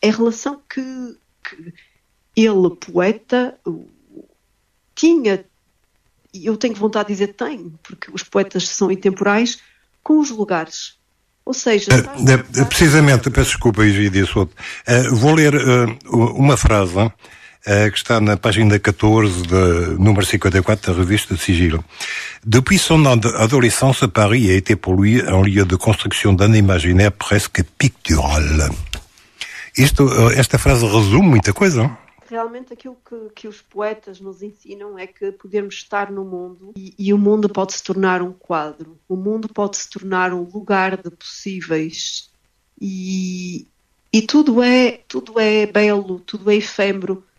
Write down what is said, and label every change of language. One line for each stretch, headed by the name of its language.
Portuguese: É a relação que ele, poeta, tinha, e eu tenho vontade de dizer tem, porque os poetas são intemporais, com os lugares. Ou seja... Precisamente, peço desculpa, Egídio, isso outro. Vou ler uma frase, que está na página 14, de, número 54 da revista Sigilo.
French: Depuis son adolescence, Paris a été pour lui un lieu de construction d'un imaginaire presque pictural.
Portuguese: Esta frase resume muita coisa. Realmente aquilo que os poetas nos ensinam é que podemos estar no mundo e o mundo pode se tornar um quadro. O mundo pode se tornar um lugar de possíveis. E tudo é belo, tudo é efêmero.